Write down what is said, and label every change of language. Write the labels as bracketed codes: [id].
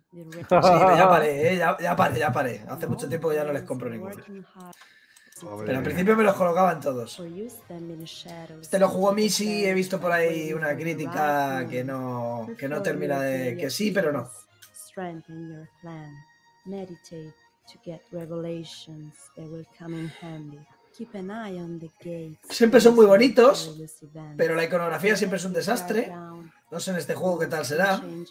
[es] Sí, ya paré. Hace mucho tiempo que ya no les compro ninguno. Pero al principio me los colocaban todos. Este lo jugó Missy, he visto por ahí una crítica que no termina de... Que sí, pero no. [en] strengthen your plan. Meditate to get revelations that will come in handy. Keep an eye on the gates. [es] Siempre son muy bonitos, pero la iconografía siempre es un desastre. No sé en este juego qué tal será.